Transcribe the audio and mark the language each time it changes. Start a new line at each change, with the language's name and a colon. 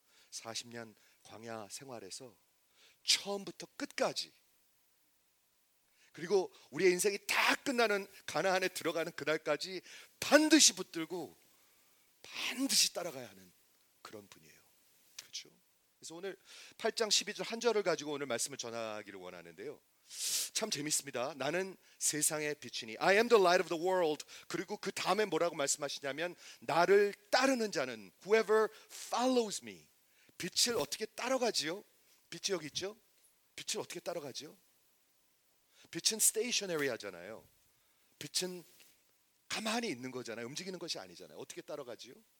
Korean: 40년 광야 생활에서 처음부터 끝까지 그리고 우리의 인생이 다 끝나는 가나안에 들어가는 그날까지 반드시 붙들고 반드시 따라가야 하는 그런 분이에요. 그렇죠? 그래서 오늘 8장 12절 한 절을 가지고 오늘 말씀을 전하기를 원하는데요. 참 재밌습니다. 나는 세상의 빛이니
English: I am the light of the world.
Korean: 그리고 그 다음에 뭐라고 말씀하시냐면 나를 따르는 자는
English: whoever follows me
Korean: 빛을 어떻게 따라가지요? 빛이 여기 있죠? 빛을 어떻게 따라가죠? 빛은 stationary 하잖아요. 빛은 가만히 있는 거잖아요. 움직이는 것이 아니잖아요. 어떻게 따라가죠?